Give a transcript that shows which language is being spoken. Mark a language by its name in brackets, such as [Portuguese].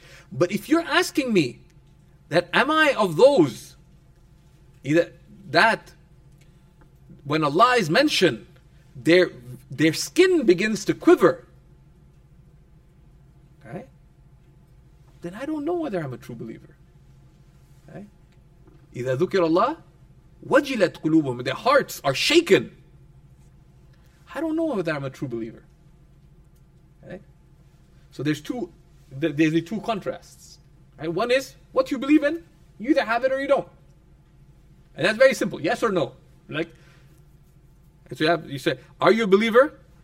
[English] But if you're asking me, that am I of those, that when Allah is mentioned, their skin begins to quiver, then I don't know whether I'm a true believer. [Arabic] إِذَا ذُكِرَ اللَّهُ وَجِلَتْ قُلُوبُهُمْ, [English] their hearts are shaken. I don't know whether I'm a true believer. Okay? So there's the two contrasts. Right? One is, what you believe in, you either have it or you don't. And that's very simple, yes or no. Like, so you say, are you a believer?